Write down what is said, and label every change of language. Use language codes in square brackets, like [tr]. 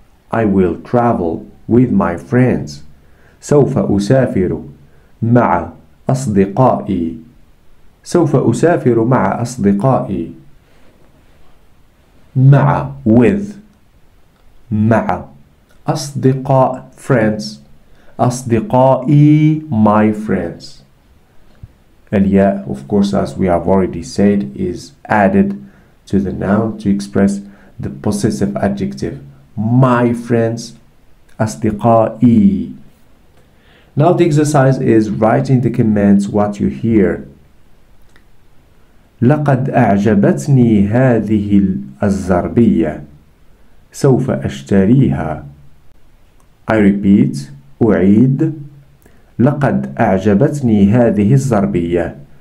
[en] I will travel with my friends. [ar] سوف أسافر مع أصدقائي. سوف أسافر مع أصدقائي. مع with مع أصدقاء friends أصدقائي [en] my friends. الياء of course as we have already said is added to the noun to express the possessive adjective. My friends أصدقائي. Now the exercise is write in the comments what you hear. [ar] لقد أعجبتني هذه الزربية. سوف أشتريها. [en] I repeat. [ar] أعيد. لقد أعجبتني هذه الزربية.